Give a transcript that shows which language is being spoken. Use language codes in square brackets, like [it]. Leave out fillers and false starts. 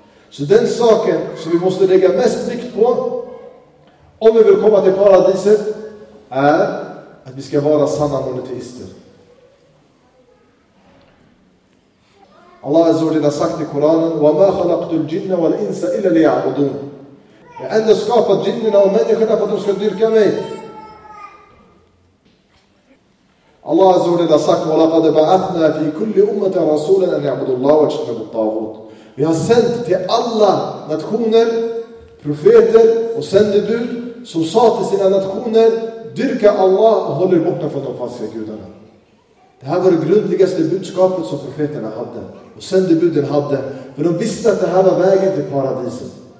[sv] Så den saken som vi måste lägga mest vikt på om vi vill komma till paradiset är att vi ska vara sanna monoteister. [ar] Allah azza wa jalla [sv] har sagt i Koranen: [ar] وَمَا خَلَقْتُ الْجِنَّ وَالْإِنْسَ إِلَّا لِيَعْبُدُونَ. [sv] Jag har ändå skapat jinnerna och människorna för att de ska dyrka mig. [ar] Allah azza wa jalla [sv] har sagt: [ar] وَلَقَدْ بَعَثْنَا فِي كُلِّ أُمَّةٍ رَسُولًا أَنْ يَعْبُدُوا اللَّهَ وَاجْتَنِبُوا الطَّاغُوتَ. [sv] Vi har sänt till alla nationer profeter och sändebud som sa till sina nationer: dyrka Allah och håll er borta från de falska gudarna. Det här var det grundligaste budskapet som profeterna hade och sändebuden hade. För de visste att det här var vägen till paradiset.